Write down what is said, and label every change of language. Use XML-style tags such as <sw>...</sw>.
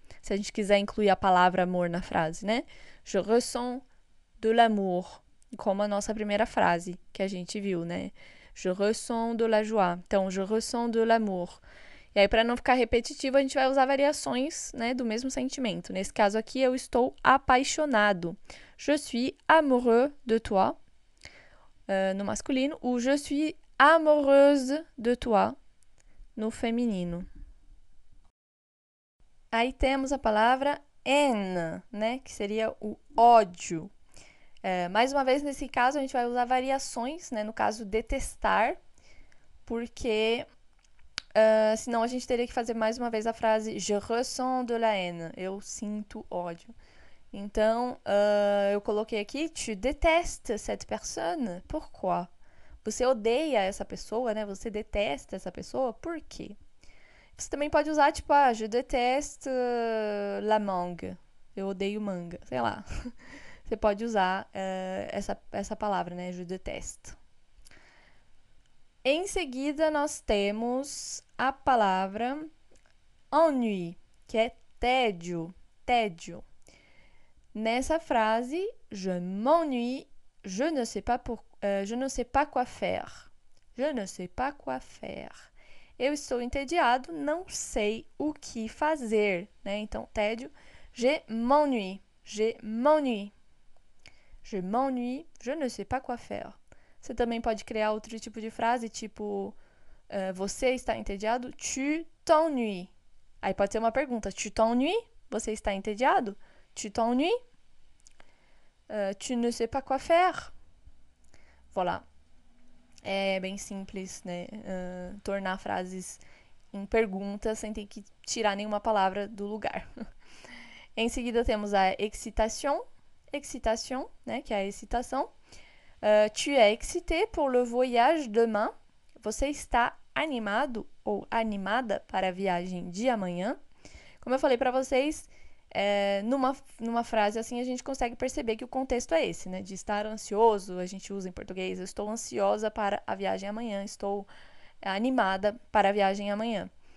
<pt>Se a gente quiser incluir a palavra amor na frase, né?</pt> <fr>Je ressens de l'amour,</fr> <pt>como a nossa primeira frase que a gente viu, né?</pt> <fr>Je ressens de la joie. Então, je ressens de l'amour.</fr> <pt>E aí, para não ficar repetitivo, a gente vai usar variações, né, do mesmo sentimento. Nesse caso aqui, eu estou apaixonado.</pt> <fr>Je suis amoureux de toi,</fr> <pt>no masculino.</pt> <fr>Ou je suis amoureuse de toi,</fr> <pt>no feminino. Aí temos a palavra haine, né, que seria o ódio. Mais uma vez, nesse caso, a gente vai usar variações, né, no caso, detestar, porque... senão a gente teria que fazer mais uma vez a frase</pt> <fr>je ressens de la haine,</fr> <pt>eu sinto ódio. Então, eu coloquei aqui</pt> <fr>tu détestes cette personne? Pourquoi?</fr> <pt>Você odeia essa pessoa, né? Você detesta essa pessoa? Por quê? Você também pode usar tipo ah,</pt> <fr>je déteste la mangue.</fr> <pt>Eu odeio manga, sei lá. Você pode usar essa palavra, né?</pt> <fr>Je déteste.</fr> <pt>Em seguida, nós temos a palavra ennui, que é tédio, tédio. Nessa frase,</pt> <fr>je m'ennuie, je ne sais pas quoi faire. Je ne sais pas quoi faire.</fr> <pt>Eu estou entediado, não sei o que fazer, né? Então, tédio,</pt> <fr>je m'ennuie, je m'ennuie. Je m'ennuie, je ne sais pas quoi faire.</fr> <pt>Você também pode criar outro tipo de frase, tipo, você está entediado?</pt> <fr>Tu t'ennuies.</fr> <pt>Aí pode ser uma pergunta,</pt> <fr>tu t'ennuies?</fr> <pt>Você está entediado?</pt> <fr>Tu t'ennuies? Tu ne sais pas quoi faire?</fr> <pt>Voilà. É bem simples, né? Tornar frases em perguntas sem ter que tirar nenhuma palavra do lugar. Em seguida temos a excitation. Excitation, né? Que é a excitação.</pt> <fr>Tu es excité pour le voyage demain?</fr> <pt>Você está animado ou animada para a viagem de amanhã? Como eu falei para vocês, numa frase assim a gente consegue perceber que o contexto é esse, né? De estar ansioso, a gente usa em português, estou ansiosa para a viagem amanhã, estou animada para a viagem amanhã.</pt>